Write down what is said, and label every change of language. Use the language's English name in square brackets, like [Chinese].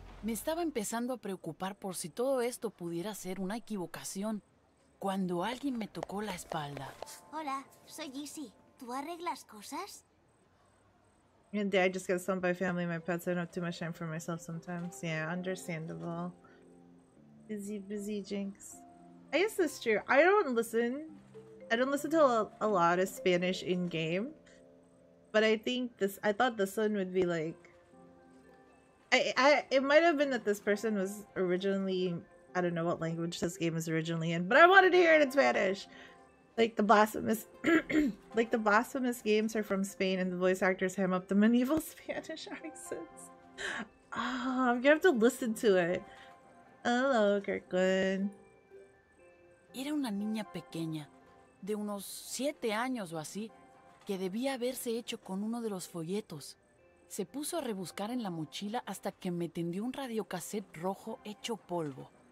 [Spanish] Me estaba empezando a preocupar por si todo esto pudiera ser una equivocación cuando alguien me tocó la espalda. Hola, soy Yeezy. ¿Tú arreglas cosas? [English] And I just get stoned by family and my pets. I don't have too much time for myself sometimes. Yeah, understandable. Busy, busy Jinx. I guess that's true. I don't listen to a lot of Spanish in game. But I think this, I thought this one would be like, it might have been that this person was originally, I don't know what language this game is originally in, but I wanted to hear it in Spanish. Like the blasphemous, like the blasphemous games are from Spain and the voice actors ham up the medieval Spanish accents. Oh, I'm gonna have to listen to it. Hello, Kirkland. [Spanish] Era una niña pequeña, de unos 7 años o así, que debía haberse hecho con uno de los folletos. Se puso a rebuscar en la mochila hasta que me tendió un radiocassette rojo hecho polvo.